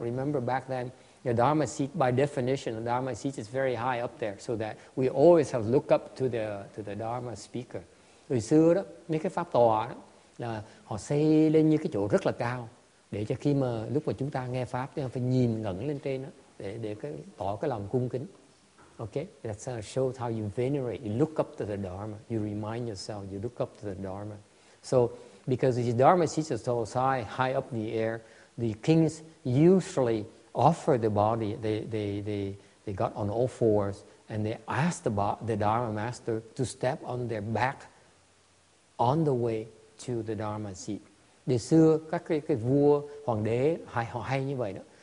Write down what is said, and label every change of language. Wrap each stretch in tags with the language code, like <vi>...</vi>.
<en>Remember back then, the Dharma seat, by definition, the Dharma seat is very high up there, so that we always have look up to the Dharma speaker.</en> <vi>Hồi xưa đó, mấy cái pháp tòa đó, là họ xây lên như cái chỗ rất là cao để cho khi mà lúc mà chúng ta nghe pháp thì phải nhìn ngẩng lên trên đó để cái, tỏ cái lòng cung kính.</vi> <en>Okay, that shows how you venerate, you look up to the Dharma, you remind yourself, you look up to the Dharma. So, because the Dharma seat is so high up in the air, the kings usually offer the body, they got on all fours, and they ask the Dharma master to step on their back on the way to the Dharma seat.</en> <vi>Đời xưa, các cái vua, hoàng đế, họ hay như vậy đó.</vi>